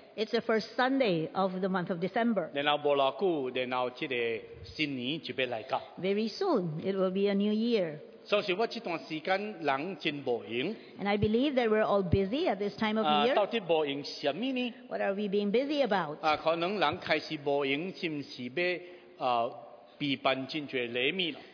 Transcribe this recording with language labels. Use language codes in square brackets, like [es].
[en] It's the first Sunday of the month of December. [nan] 然后无偌久，然后这个新年就要来到。 [en] Very soon, it will be a new year. [nan] 所以我这段时间人真无闲。 [en] And I believe that we're all busy at this time of year. [nan] 到底无闲什么呢 [en] ？What are we being busy about？ [nan] 可能人开始无闲，是不是要备办真多礼物了？